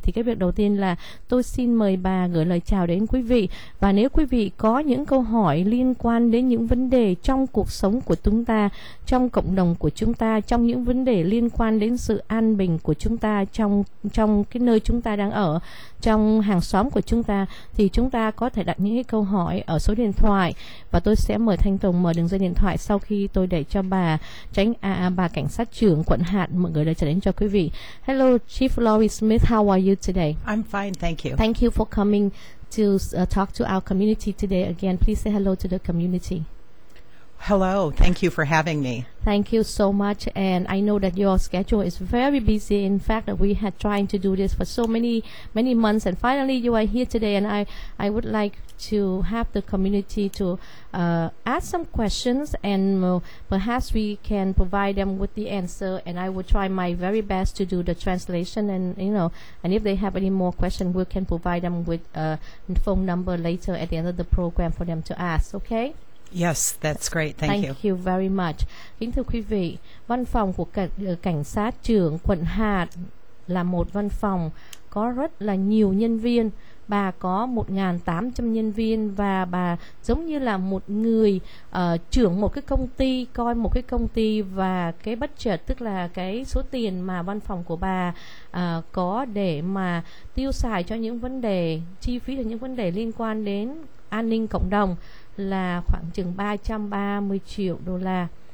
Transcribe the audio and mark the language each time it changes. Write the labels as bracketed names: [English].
[Vietnamese] Thì cái việc đầu tiên là tôi xin mời bà gửi lời chào đến quý vị, và nếu quý vị có những câu hỏi liên quan đến những vấn đề trong cuộc sống của chúng ta, trong cộng đồng của chúng ta, trong những vấn đề liên quan đến sự an bình của chúng ta, trong cái nơi chúng ta đang ở, trong hàng xóm của chúng ta, thì chúng ta có thể đặt những cái câu hỏi ở số điện thoại, và tôi sẽ mời Thanh Tùng mở đường dây điện thoại sau khi tôi để cho bà cảnh sát trưởng quận Hạt mở gửi lời trả đến cho quý vị. [English] Hello Chief Laurie Smith, how are you today? I'm fine, thank you. Thank you for coming to talk to our community today again. Please say hello to the community. Hello, thank you for having me. Thank you so much, and I know that your schedule is very busy. In fact, we had trying to do this for so many months, and finally you are here today, and I would like to have the community to ask some questions, and perhaps we can provide them with the answer, and I will try my very best to do the translation, and you know, and if they have any more questions, we can provide them with a phone number later at the end of the program for them to ask, okay? Yes, that's great. Thank you. Thank you very much. [Vietnamese] Kính thưa quý vị, văn phòng của cảnh sát trưởng quận Hạt là một văn phòng có rất là nhiều nhân viên. Bà có 1.800 nhân viên, và bà giống như là một người trưởng một cái công ty, coi một cái công ty, và cái budget, tức là cái số tiền mà văn phòng của bà có để mà tiêu xài cho những vấn đề, chi phí cho những vấn đề liên quan đến an ninh cộng đồng là khoảng chừng 330 triệu đô la.